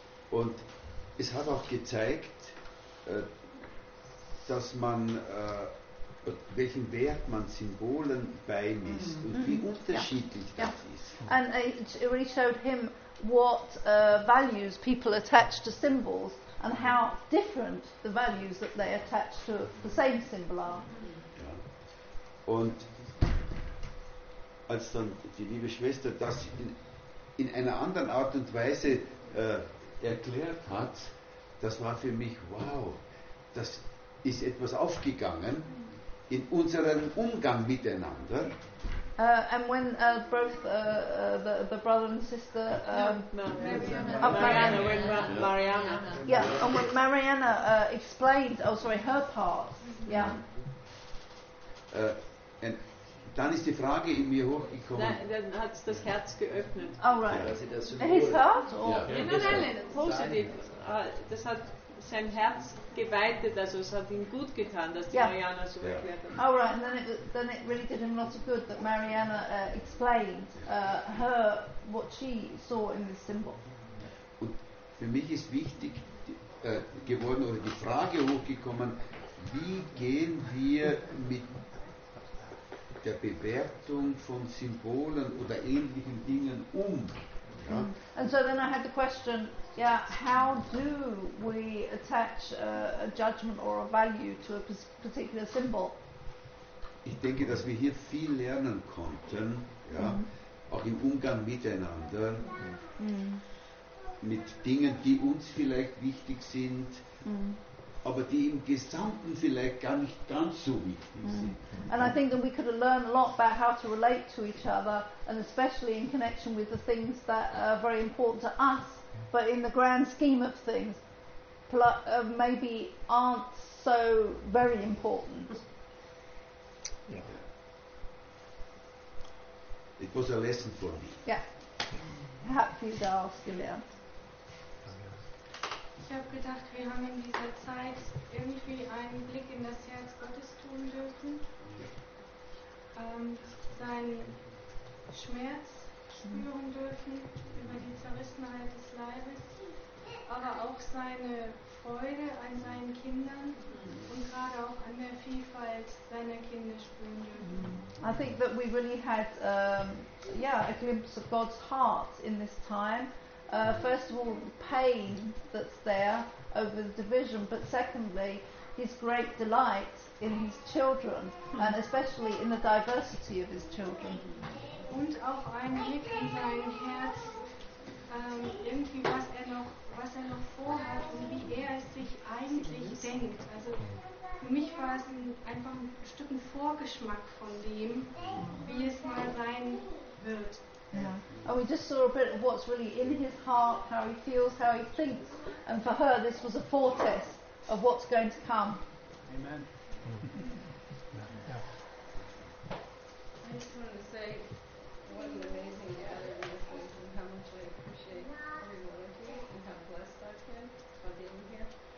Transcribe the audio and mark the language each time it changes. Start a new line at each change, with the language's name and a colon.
German: Und es hat auch gezeigt, dass man welchen Wert man Symbolen beimisst und wie unterschiedlich das ist.
English: And it really showed him what values people attach to symbols and how different the values that they attach to the same symbol are.
German: Ja. Und als dann die liebe Schwester das in einer anderen Art und Weise erklärt hat, das war für mich, wow, das ist etwas aufgegangen, in unserem Umgang miteinander.
English: And when both the brother and sister when Mariana explained, her part. Yeah.
German: And dann ist die Frage in mir hochgekommen. Dann hat das Herz geöffnet.
English: Oh right. Yeah. His heart or
German: positiv. Das hat sein Herz geweitet, also es hat ihm gut getan, dass die Mariana so erklärt hat.
English: Oh right, and then it really did him a lot of good that Mariana explained what she saw in this symbol.
German: Und für mich ist wichtig geworden, oder die Frage hochgekommen, wie gehen wir mit der Bewertung von Symbolen oder ähnlichen Dingen um? Ja.
English: And so then I had the question, how do we attach a judgment or a value to a particular symbol?
German: Ich denke, dass wir hier viel lernen konnten, auch im Umgang miteinander, mit Dingen, die uns vielleicht wichtig sind, aber die im Gesamten vielleicht gar nicht ganz so wichtig sind.
English: And I think that we could learn a lot about how to relate to each other, and especially in connection with the things that are very important to us, but in the grand scheme of things, maybe aren't so very important. Yeah. It was a lesson for me. Yeah. Happy to ask you, Leon.
German: Ich habe gedacht, wir haben in dieser Zeit irgendwie einen Blick in das Herz Gottes tun dürfen, seinen Schmerz spüren dürfen über die Zerrissenheit des Leibes, aber auch seine Freude an seinen Kindern und gerade auch an der Vielfalt seiner Kinder spüren dürfen.
English: I think that we really had a glimpse of God's heart in this time. First of all, the pain that's there over the division, but secondly, his great delight in his children, and especially in the diversity of his children.
German: Und auch ein Blick in sein Herz, irgendwie was er noch vorhat und wie er es sich eigentlich denkt. Also für mich war es einfach ein Stück ein Vorgeschmack von dem, wie es mal sein wird.
English: Yeah. And we just saw a bit of what's really in his heart, how he feels, how he thinks. And for her, this was a foretaste of what's going to come. Amen. I just want to say what an amazing gathering this is, and how much I appreciate every one of you, and how blessed I've been by being here.